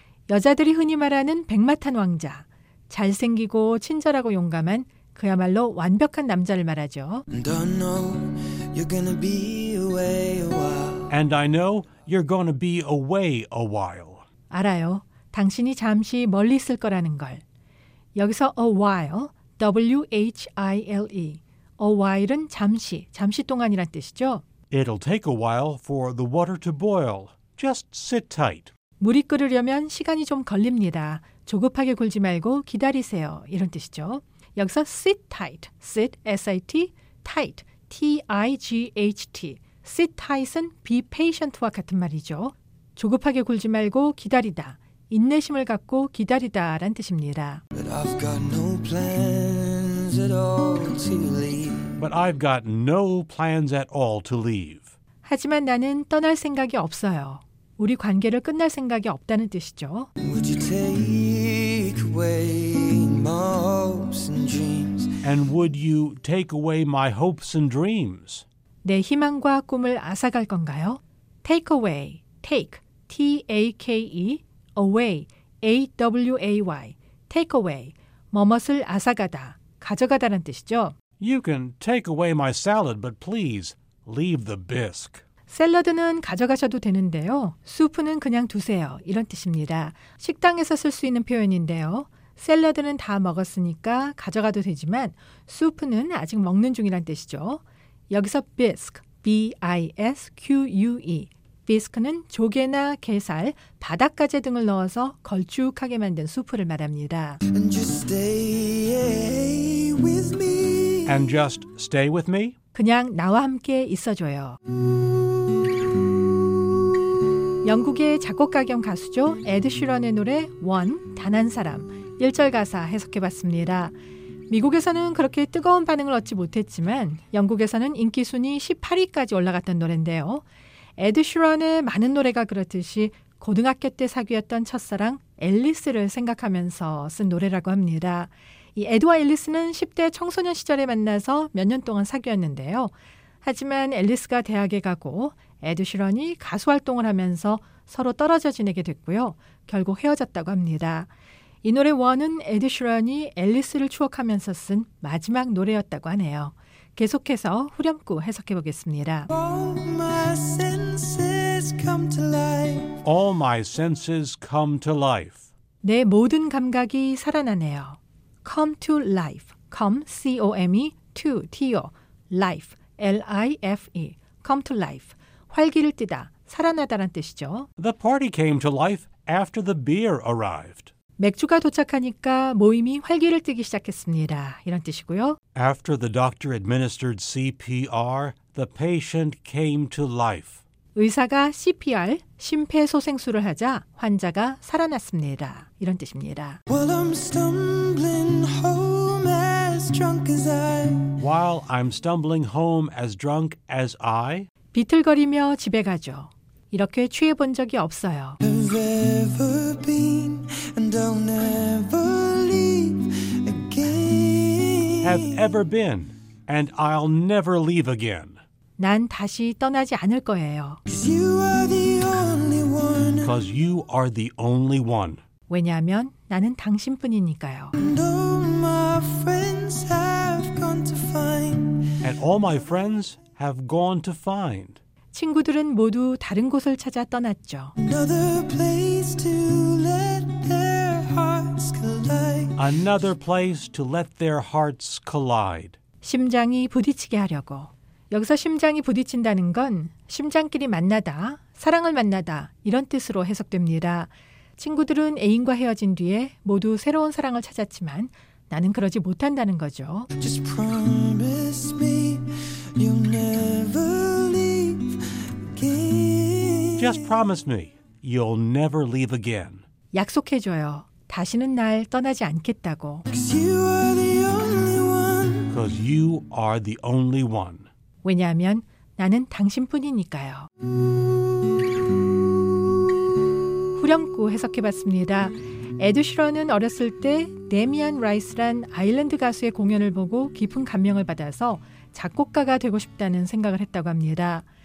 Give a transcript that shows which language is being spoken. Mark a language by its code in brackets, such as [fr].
[ko] 여자들이 흔히 말하는 백마탄 왕자. 잘생기고 친절하고 용감한 그야말로 완벽한 남자를 말하죠. [en] And I know you're gonna be away a while. And I know you're gonna be away a while. [ko] 알아요. 당신이 잠시 멀리 있을 거라는 걸. 여기서 a while, W-H-I-L-E. A while은 잠시, 잠시 동안이란 뜻이죠. [en] It'll take a while for the water to boil. Just sit tight. [ko] 물이 끓으려면 시간이 좀 걸립니다. 조급하게 굴지 말고 기다리세요. 이런 뜻이죠. 여기서 sit tight, sit, S-I-T, tight, T-I-G-H-T. Sit tight은 [en] be patient [ko] 와 같은 말이죠. 조급하게 굴지 말고 기다리다. 인내심을 갖고 기다리다 라는 뜻입니다. [en] But I've got no plans at all to leave. But I've got no plans at all to leave. [ko] 하지만 나는 떠날 생각이 없어요. 우리 관계를 끝날 생각이 없다는 뜻이죠. [en] Would you take away my hopes and dreams? And would you take away my hopes and dreams? [ko] 내 희망과 꿈을 앗아갈 건가요? [en] Take away. Take. [ko] T-A-K-E. Away, A-W-A-Y, take away, 뭐뭇을 앗아가다, 가져가다란 뜻이죠. [en] You can take away my salad, but please leave the bisque. [ko] 샐러드는 가져가셔도 되는데요. 수프는 그냥 두세요. 이런 뜻입니다. 식당에서 쓸 수 있는 표현인데요. 샐러드는 다 먹었으니까 가져가도 되지만 수프는 아직 먹는 중이란 뜻이죠. 여기서 bisque, B-I-S-Q-U-E. 비스크는 조개나 게살, 바닥가재 등을 넣어서 걸쭉하게 만든 수프를 말합니다. [en] And just stay with me. And just stay with me? [ko] 그냥 나와 함께 있어줘요. 영국의 작곡가 겸 가수죠. 에드 슈런의 노래 원, 단 한 사람. 1절 가사 해석해봤습니다. 미국에서는 그렇게 뜨거운 반응을 얻지 못했지만 영국에서는 인기 순위 18위까지 올라갔던 노래인데요. 에드 슈런의 많은 노래가 그렇듯이 고등학교 때 사귀었던 첫사랑 앨리스를 생각하면서 쓴 노래라고 합니다. 이 에드와 앨리스는 10대 청소년 시절에 만나서 몇 년 동안 사귀었는데요. 하지만 앨리스가 대학에 가고 에드 슈런이 가수 활동을 하면서 서로 떨어져 지내게 됐고요. 결국 헤어졌다고 합니다. 이 노래 원은 에드 슈런이 앨리스를 추억하면서 쓴 마지막 노래였다고 하네요. 계속해서 후렴구 해석해 보겠습니다. [en] All my senses come to life. [ko] 내 모든 감각이 살아나네요. [en] Come to life. Come, C-O-M-E, to, T-O, life, L-I-F-E. Come to life. [ko] 활기를 띠다, 살아나다란 뜻이죠. [en] The party came to life after the beer arrived. [ko] 맥주가 도착하니까 모임이 활기를 띠기 시작했습니다. 이런 뜻이고요. [en] After the doctor administered CPR, the patient came to life. [ko] 의사가 CPR, 심폐소생술을 하자 환자가 살아났습니다. 이런 뜻입니다. [en] Well, I'm stumbling home as drunk as I. While I'm stumbling home as drunk as I. [ko] 비틀거리며 집에 가죠. 이렇게 취해 본 적이 없어요. [en] I've ever been and I'll never leave again. Have ever been and I'll never leave again. [ko] 난 다시 떠나지 않을 거예요. [en] You are the only one. Because you are the only one. [ko] 왜냐하면 나는 당신뿐이니까요. [en] And all my friends have gone to find. And all my friends have gone to find. [ko] 친구들은 모두 다른 곳을 찾아 떠났죠. [en] Another place to let their hearts collide. Another place to let their hearts collide. [ko] 심장이 부딪히게 하려고. 여기서 심장이 부딪힌다는 건 심장끼리 만나다, 사랑을 만나다 이런 뜻으로 해석됩니다. 친구들은 애인과 헤어진 뒤에 모두 새로운 사랑을 찾았지만 나는 그러지 못한다는 거죠. [en] Just promise me you'll never leave again. Just promise me you'll never leave again. [ko] 약속해줘요. 다시는 날 떠나지 않겠다고. [en] 'Cause you are the only one. 'Cause you are the only one. [ko] 왜냐하면 나는 당신뿐이니까요. 후렴구 해석해봤습니다. 에드 슈런은 어렸을 때 데미안 라이스란 아일랜드 가수의 공연을 보고 깊은 감명을 받아서 작곡가가 되고 싶다는 생각을 했다고 합니다.